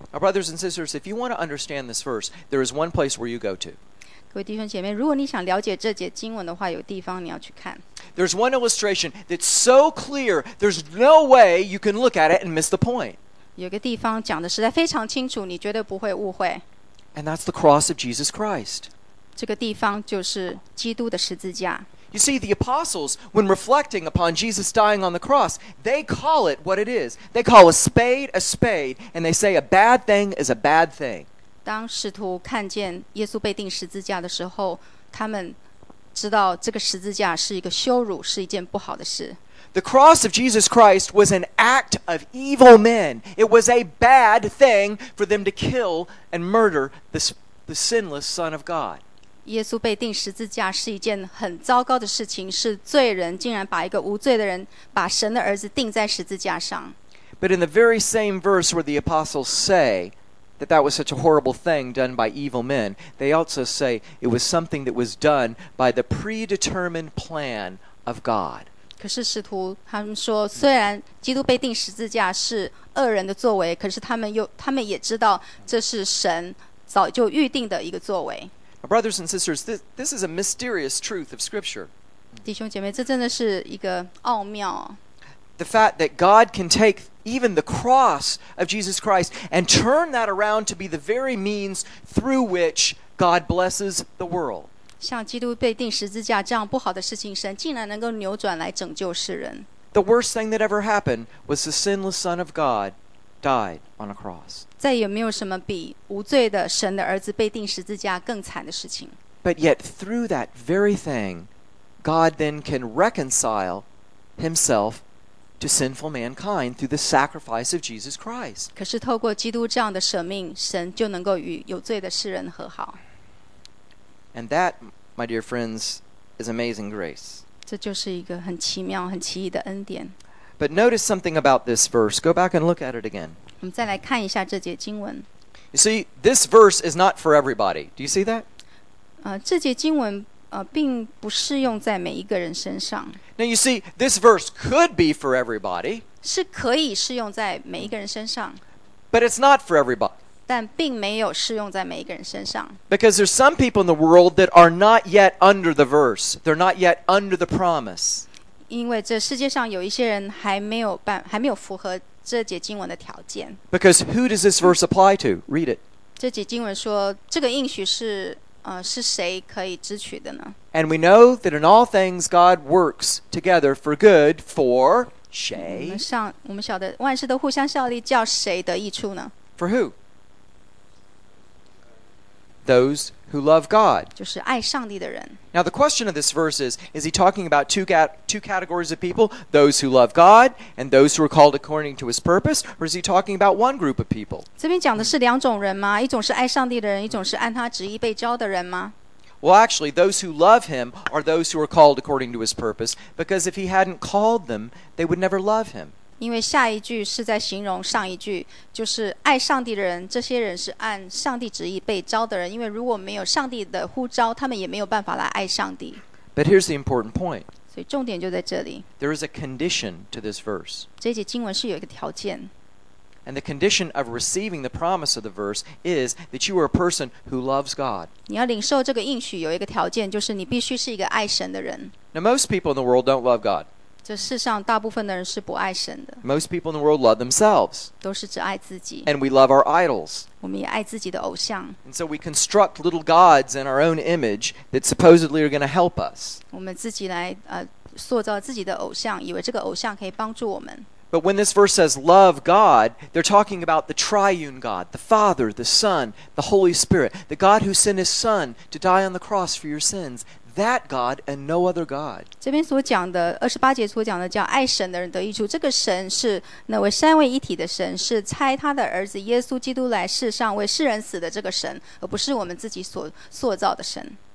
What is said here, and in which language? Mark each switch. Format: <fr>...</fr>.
<en>Our brothers and sisters, if you want to understand this verse, there is one place where you go to.</en> <zh>各位弟兄姐妹，如果你想了解这节经文的话，有地方你要去看。</zh> <en>There's one illustration that's so clear, there's no way you can look at it and miss the point.</en> <zh>有个地方讲的实在非常清楚，你绝对不会误会。</zh> <en>And that's the cross of Jesus Christ.</en> <zh>这个地方就是基督的十字架。</zh> <en>You see, the apostles, when reflecting upon Jesus dying on the cross, they call it what it is. They call a spade, and they say a bad thing is a bad thing.</en> <zh>当使徒看见耶稣被钉十字架的时候，他们知道这个十字架是一个羞辱，是一件不好的事。</zh> <en>The cross of Jesus Christ was an act of evil men. It was a bad thing for them to kill and murder the sinless Son of God.</en> <zh>耶稣被钉十字架是一件很糟糕的事情，是罪人竟然把一个无罪的人，把神的儿子钉在十字架上。</zh> <en>But in the very same verse where the apostles say that that was such a horrible thing done by evil men, they also say it was something that was done by the predetermined plan of God.</en> <zh>可是使徒他们说，虽然基督被钉十字架是恶人的作为，可是他们也知道这是神早就预定的一个作为。</zh> <en>Brothers and sisters, this is a mysterious truth of Scripture.</en> <zh>弟兄姐妹，这真的是一个奥妙。</zh> <en>The fact that God can take even the cross of Jesus Christ and turn that around to be the very means through which God blesses the world.</en> <zh>像基督被钉十字架这样不好的事情，神竟然能够扭转来拯救世人。</zh> <en>The worst thing that ever happened was the sinless Son of God died on a cross.</en> <zh>再也没有什么比无罪的神的儿子被钉十字架更惨的事情。</zh> <en>But yet through that very thing, God then can reconcile himself to sinful mankind through the sacrifice of Jesus Christ.</en> <zh>可是透过基督这样的舍命，神就能够与有罪的世人和好。</zh> <en>And that, my dear friends, is amazing grace.</en> <zh>这就是一个很奇妙、很奇异的恩典。</zh> <en>But notice something about this verse. Go back and look at it again.</en> <zh>我们再来看一下这节经文。</zh> <en>You see, this verse is not for everybody. Do you see that?</en> <zh>这节经文并不适用在每一个人身上。</zh> <en>Now you see, this verse could be for everybody.</en> <zh>是可以适用在每一个人身上。</zh> <en>But it's not for everybody.</en> <zh>但并没有适用在每一个人身上。</zh> <en>Because there's some people in the world that are not yet under the verse. They're not yet under the promise.</en> <zh>因为这世界上有一些人还没有符合这节经文的条件。</zh> <en>Because who does this verse apply to? Read it.</en> <zh>这节经文说，这个应许是谁可以支取的呢？</zh> <en>And we know that in all things God works together for good for</en> <zh>谁？我们晓得万事都互相效力，叫谁得益处呢？</zh> <en>For who? Those who love God.</en> <zh>就是爱上帝的人。</zh> <en>Now the question of this verse is he talking about two categories of people? Those who love God and those who are called according to his purpose? Or is he talking about one group of people?</en> <zh>这边讲的是两种人吗？一种是爱上帝的人，一种是按他旨意被召的人吗？</zh> <en>Well, actually, those who love him are those who are called according to his purpose, because if he hadn't called them, they would never love him.</en> <zh>因为下一句是在形容上一句，就是爱上帝的人，这些人是按上帝旨意被召的人，因为如果没有上帝的呼召，他们也没有办法来爱上帝。</zh> <en>But here's the important point.</en> <zh>所以重点就在这里。</zh> <en>There is a condition to this verse.</en> <zh>这节经文是有一个条件。</zh> <en>And the condition of receiving the promise of the verse is that you are a person who loves God.</en> <zh>你要领受这个应许有一个条件，就是你必须是一个爱神的人。</zh> <en>Now most people in the world don't love God.</en> <zh>这世上大部分的人是不爱神的。</zh> <en>Most people in the world love themselves.</en> <zh>都是只爱自己。</zh> <en>And we love our idols.</en> <zh>我们也爱自己的偶像。</zh> <en>And so we construct little gods in our own image that supposedly are going to help us.</en> <zh>我们自己来塑造自己的偶像，以为这个偶像可以帮助我们。</zh> <en>But when this verse says love God, they're talking about the triune God, the Father, the Son, the Holy Spirit, the God who sent his Son to die on the cross for your sins, that God and no other God.</en> <zh>这边所讲的28节所讲的叫爱神的人得益处，这个神是那位三位一体的神，是差他的儿子耶稣基督来世上为世人死的这个神，而不是我们自己所塑造的神。</zh>